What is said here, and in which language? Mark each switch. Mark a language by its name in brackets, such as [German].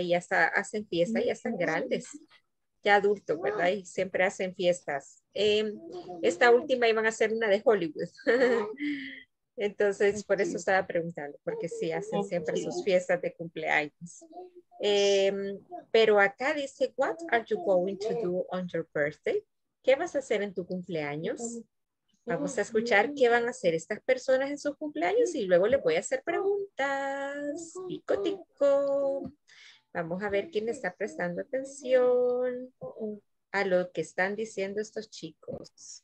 [Spanish] Y hasta hacen fiesta, ya están grandes, ya adultos, ¿verdad? Y siempre hacen fiestas. Esta última iban a ser una de Hollywood. Entonces, por eso estaba preguntando, porque sí, hacen siempre sus fiestas de cumpleaños. Pero acá dice, [English] what are you going to do on your birthday? [Spanish] ¿Qué vas a hacer en tu cumpleaños? Vamos a escuchar qué van a hacer estas personas en sus cumpleaños y luego les voy a hacer preguntas. Tico, tico. Vamos a ver quién está prestando atención a lo que están diciendo estos chicos.